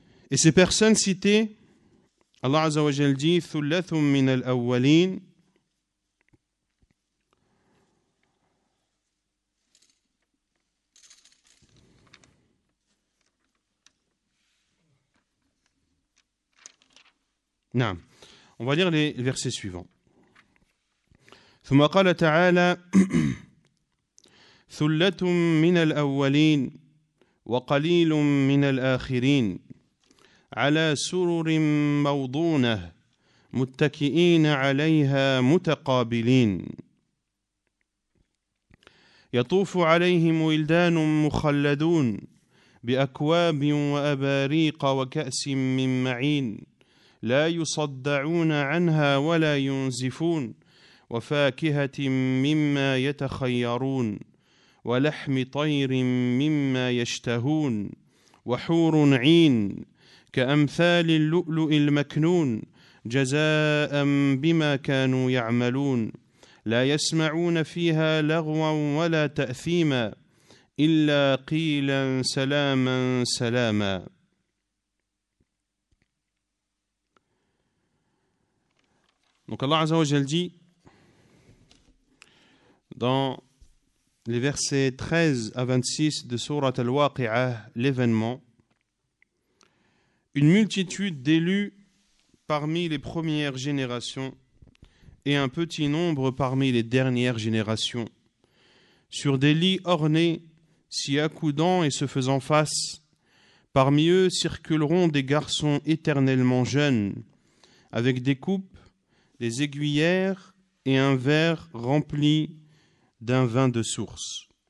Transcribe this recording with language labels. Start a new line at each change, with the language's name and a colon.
French: Et ces personnes citées, Allah Azza wa Jal dit «
Arabic: Thulathum min al-awwalin
French: » Non. On va lire les versets suivants.
Arabic: ثم قال تعالى ثلة من الأولين وقليل من الآخرين على سرر موضونة متكئين عليها متقابلين يطوف عليهم ولدان مخلدون بأكواب وأباريق وكأس من معين لا يصدعون عنها ولا ينزفون وفاكهة مما يتخيرون ولحم طير مما يشتهون وحور عين كأمثال اللؤلؤ المكنون جزاء بما كانوا يعملون لا يسمعون فيها لغوا ولا تأثيما إلا قيلا سلاما سلاما.
French: Donc Allah Azza wa Jal dit dans les versets 13 à 26 de Sourate Al-Waqi'ah, l'événement, une multitude d'élus parmi les premières générations et un petit nombre parmi les dernières générations, sur des lits ornés, s'y accoudant et se faisant face, parmi eux circuleront des garçons éternellement jeunes, avec des coupes, des aiguillères et un verre rempli d'un vin de source,